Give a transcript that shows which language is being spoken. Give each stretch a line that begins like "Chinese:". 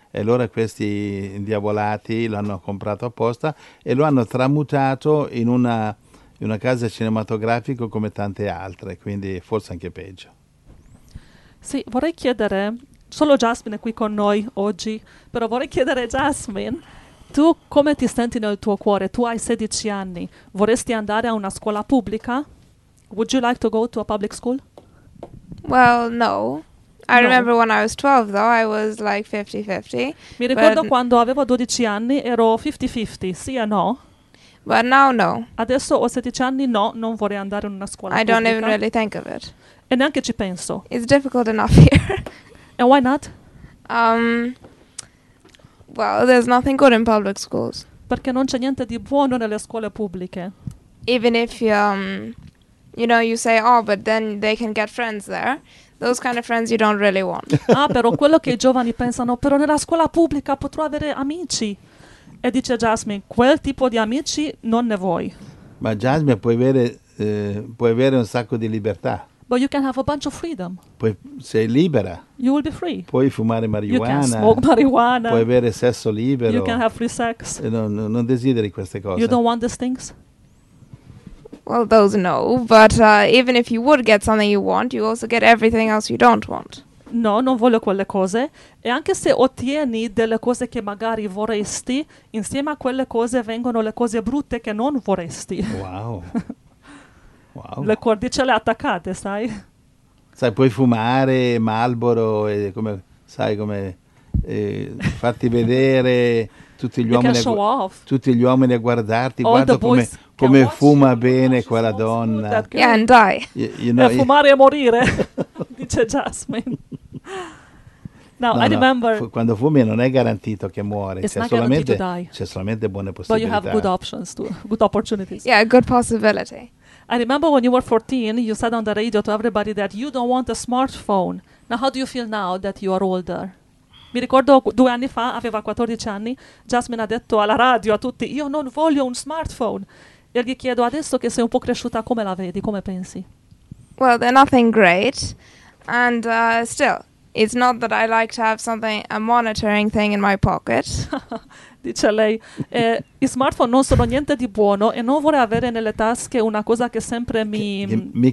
Italian: E allora questi indiavolati lo hanno comprato apposta e lo hanno tramutato in una casa cinematografica come tante altre, quindi forse anche peggio. Sì, vorrei chiedere, solo Jasmine è qui con noi oggi, però vorrei chiedere Jasmine, tu come ti senti nel tuo cuore? Tu hai 16 anni, vorresti andare a una scuola pubblica?
English: Would you like to go to a public school? Well, no. I remember when I was 12, though, I was like 50-50.
Italian: Mi ricordo quando avevo 12 anni, ero 50-50, sì o no?
English: But now, no.
Italian: Adesso ho 16 anni, no, non vorrei andare in una scuola pubblica.
English: I don't even really think of it.
Italian: E neanche ci penso.
English: It's difficult enough here. And why not? Well, there's nothing good in public schools.
Italian: Perché non c'è niente di buono nelle scuole pubbliche.
English: Even if, you know, you say, oh, but then they can get friends there. Those kind of friends you don't really want.
Italian: Ah, però quello che i giovani pensano, però nella scuola pubblica potrò avere amici. E dice Jasmine, quel tipo di amici non ne vuoi. Ma Jasmine, puoi avere un sacco di libertà.
English: But you can have a bunch of freedom.
Italian: Poi sei libera.
English: You will be free.
Italian: Puoi fumare marijuana.
English: You can smoke marijuana.
Italian: Puoi avere sesso libero.
English: You can have free sex.
Italian: Non desideri queste cose.
English: You don't want these things? Well, those no, but even if you would get something you want, you also get everything else you don't want.
Italian: No, non voglio quelle cose. E anche se ottieni delle cose che magari vorresti, insieme a quelle cose vengono le cose brutte che non vorresti.
English: Wow. Wow.
Italian: Le cordicelle attaccate, sai? Sai, puoi fumare Marlboro e come, sai, come farti vedere tutti gli uomini.
English: Show off.
Italian: Tutti gli uomini a guardarti. All guarda come... Come fuma bene quella donna.
English: Yeah, and die.
Italian: E fumare e morire, dice Jasmine.
English: No, I remember.
Italian: Quando fumi non è garantito che muori.
English: It's not guaranteed to die.
Italian: C'è solamente buone possibilità.
English: But you have good options, too, good opportunities. Yeah, good possibility. I remember when you were 14, you said on the radio to everybody that you don't want a smartphone. Now, how do you feel now that you are older?
Italian: Mi ricordo 2 anni fa, aveva 14 anni, Jasmine ha detto alla radio a tutti, io non voglio un smartphone. E gli chiedo adesso che sei un po' cresciuta, come la vedi, come pensi?
English: Well, they're nothing great. And still, it's not that I like to have something, a monitoring thing in my pocket.
Italian: Dice lei, i smartphone non sono niente di buono e non vorrei avere nelle tasche una cosa che sempre mi